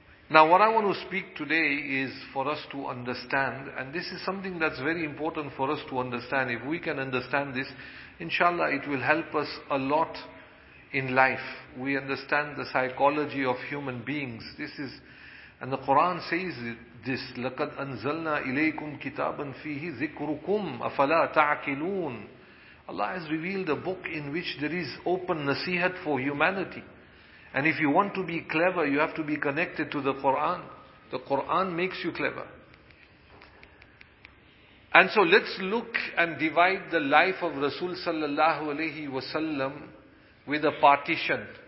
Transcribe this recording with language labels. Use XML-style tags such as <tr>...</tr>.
<en>Now what I want to speak today is for us to understand, and this is something that's very important for us to understand. If we can understand this, inshallah it will help us a lot in life. We understand the psychology of human beings. This is, and the Quran says this,</en> <ar>لَقَدْ أَنزَلْنَا إِلَيْكُمْ كِتَابًا فِيهِ ذِكْرُكُمْ أَفَلَا تَعْقِلُونَ.</ar> <en>Allah has revealed a book in which there is open nasihat for humanity. And if you want to be clever, you have to be connected to the Quran. The Quran makes you clever. And so let's look and divide the life of Rasul sallallahu alayhi wasallam with a partition.</en>